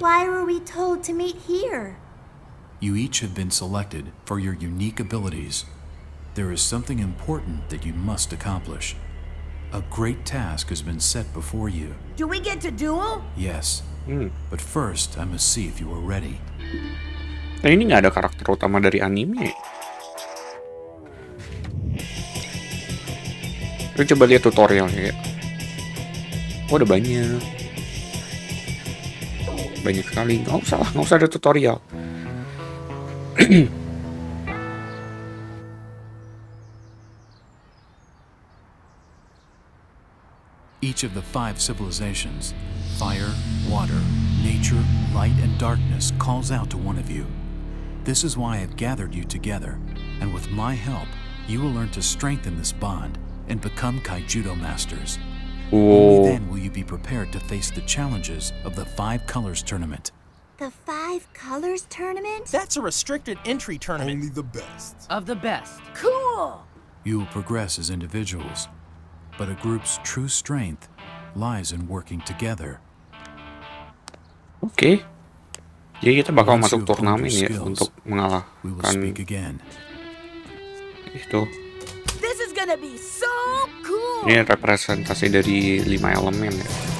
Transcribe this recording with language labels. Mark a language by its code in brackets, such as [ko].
[en] Why were we told to meet here? You each have been selected for your unique abilities. There is something important that you must accomplish. A great task has been set before you. Do we get to duel? Yes. But first, I must see if you are ready. [id] Nah, ini nggak ada karakter utama dari anime. Kita coba lihat tutorialnya ya. Oh, ada banyak. Banyak sekali. Nggak usah lah, nggak usah ada tutorial. [en] Each of the 5 civilizations, fire, water, nature, light, and darkness calls out to one of you. This is why I've gathered you together, and with my help, you will learn to strengthen this bond and become Kaijudo masters. Ooh. Then will you be prepared to face the challenges of the 5 Colors Tournament. The 5 Colors Tournament? That's a restricted entry tournament. Only the best. Of the best. Cool! You will progress as individuals, but a group's true strength lies in working together. Okay. [id] Jadi kita bakal masuk turnamen ya untuk mengalahkan itu. [en] This is gonna be so cool. [id] Ini representasi dari 5 elemen ya.